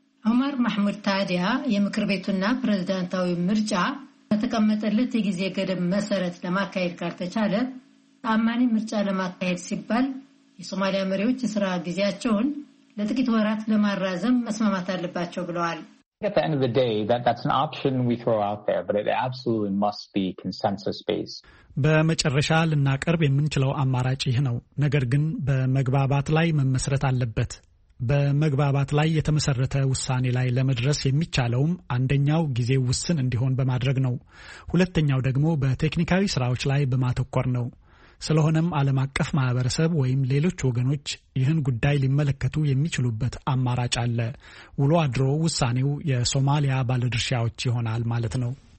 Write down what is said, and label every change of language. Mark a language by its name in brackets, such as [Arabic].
[Amharic] ዑመር ማህሙድ ታዲያ የምክር ቤቱና ፕሬዝዳንታዊ ምርጫ በተቀመጠለት የጊዜ ገደብ መሰረት ለማካሄድ ካልተቻለ ታማኒ ምርጫ ለማካሄድ ሲባል የሶማሊያ መሪዎች ስራ ጊዜያቸውን ለጥቂት ወራት ለማራዘም መስማማት አለባቸው ብለዋል። [English] At the end of the day, that's an option we throw out there, but it absolutely must be consensus-based. [Amharic] በመጨረሻ ልናቀርብ የምንችለው አማራጭ ይህ ነው። ነገር ግን በመግባባት ላይ መመስረት አለበት። በመግባባት ላይ የተመሰረተ ውሳኔ ላይ ለመድረስ የሚቻለውም አንደኛው ጊዜ ውስን እንዲሆን በማድረግ ነው። ሁለተኛው ደግሞ በቴክኒካዊ ስራዎች ላይ በማተኮር ነው። ስለሆነም ዓለም አቀፍ ማህበረሰብ ወይም ሌሎች ወገኖች ይህን ጉዳይ ሊመለከቱ የሚችሉበት አማራጭ አለ። ውሎ አድሮ ውሳኔው የሶማሊያ ባለድርሻዎች ይሆናል ማለት ነው።